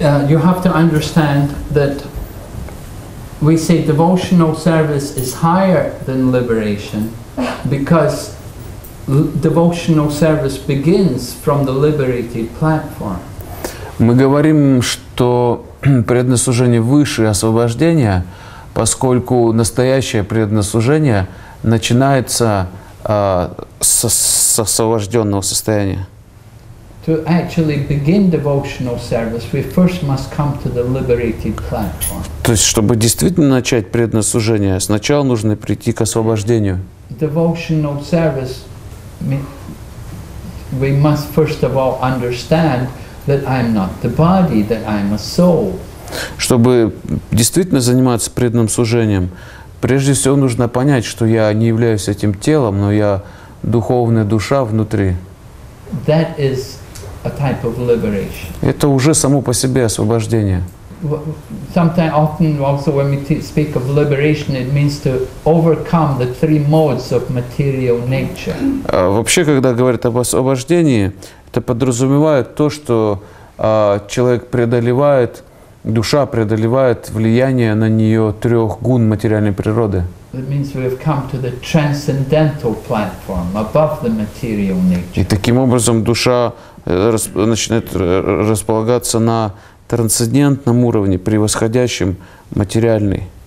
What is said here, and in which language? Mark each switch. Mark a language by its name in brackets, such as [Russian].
[English] You have to understand that we say devotional service is higher than liberation because devotional service begins from the liberated platform. [Russian] Мы говорим, что преданное служение выше освобождения, поскольку настоящее преданное служение начинается с освобожденного состояния. [English] To actually begin devotional service, we first must come to the liberated platform. [Russian] То есть, чтобы действительно начать преданное служение, сначала нужно прийти к освобождению. [English] Devotional service, we must first of all understand that I am not the body, that I am a soul. [Russian] Чтобы действительно заниматься преданным служением, прежде всего нужно понять, что я не являюсь этим телом, но я духовная душа внутри. [English] That is a type of liberation. [Russian] Это уже само по себе освобождение. [English] Sometimes, often, also when we speak of liberation, it means to overcome the three modes of material nature. [Russian] Вообще, когда говорят об освобождении, это подразумевает то, что человек преодолевает, душа преодолевает влияние на нее трех гун материальной природы. [English] That means we have come to the transcendental platform above the material nature. [Russian] И таким образом душа начинает располагаться на трансцендентном уровне, превосходящем материальный.